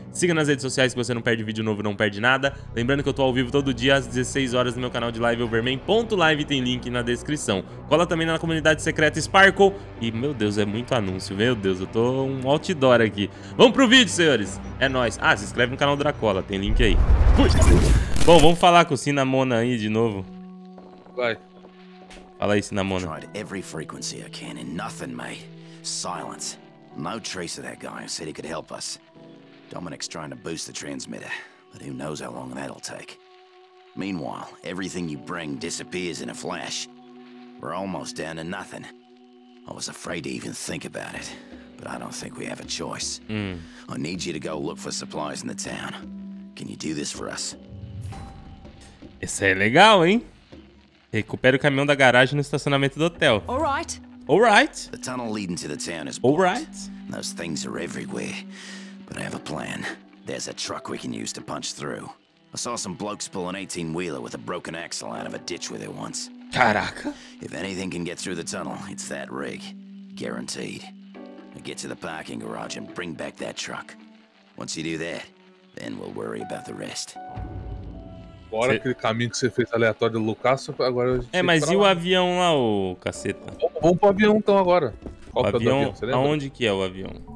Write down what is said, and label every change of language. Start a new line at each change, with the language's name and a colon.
Portuguese: Siga nas redes sociais que você não perde vídeo novo, não perde nada. Lembrando que eu tô ao vivo todo dia às 16 horas no meu canal de live, overman.live, tem link na descrição. Cola também na comunidade secreta Sparkle. E, meu Deus, é muito anúncio, meu Deus, eu tô um outdoor aqui. Vamos pro vídeo, senhores. É nóis. Ah, se inscreve no canal Dracola, tem link aí. Bom, vamos falar com o Cinnamon aí de novo. Vai. Fala aí, Cinnamon.
English: Tried every frequency I can and nothing, mate. Silence. No trace of that guy who said he could help us. Dominic's trying to boost the transmitter, but who knows how long that'll take. Meanwhile, everything you bring disappears in a flash. We're almost down to nothing. I was afraid to even think about it, but I don't think we have a choice. I need you to go look for supplies in the town. Can you do this for us?
Portuguese: Isso é legal, hein? Recupera o caminhão da garagem no estacionamento do hotel.
English: Alright. Alright. The tunnel leading to the town is blocked. Alright. Those things are everywhere. But I have a plan. There's a truck we can use to punch through. I saw some blokes pull an 18-wheeler with a broken axle out of a ditch with it once.
Portuguese: Caraca.
English: If anything can get through the tunnel, it's that rig. Guaranteed. I get to the parking garage and bring back that truck. Once you do that, then we'll worry about the rest.
Portuguese: Agora aquele caminho que você fez aleatório do Lucas, agora a gente é, mas e lá. O avião lá, ô caceta? Vamos pro avião então agora. Qual o que avião, é o avião? Você lembra? Aonde que é o avião?